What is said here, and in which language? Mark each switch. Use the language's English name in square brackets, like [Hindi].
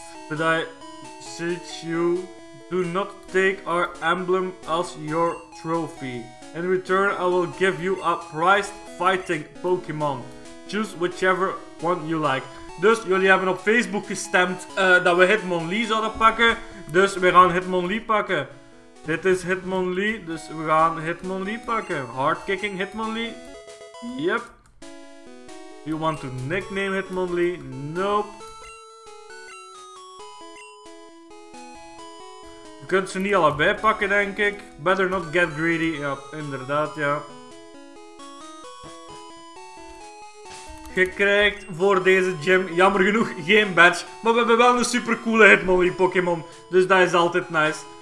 [English] But I beseech you, do not take our emblem as your trophy. In return, I will give you a prized fighting Pokémon. Choose whichever one you like. [Dutch] Dus jullie hebben op Facebook gestemd dat we Hitmonlee zouden pakken. Dus we gaan Hitmonlee pakken. Dit is Hitmonlee, dus we gaan Hitmonlee pakken. [English] Hardkicking Hitmonlee. Yep. You want to nickname Hitmonlee? Nope. [Dutch] Je kunt ze niet allebei pakken, denk ik. [English] Better not get greedy. [Dutch] Ja, inderdaad, ja. Je krijgt voor deze gym, jammer genoeg, geen badge. Maar we hebben wel een supercoole Hitmonlee Pokémon. Dus dat is altijd nice.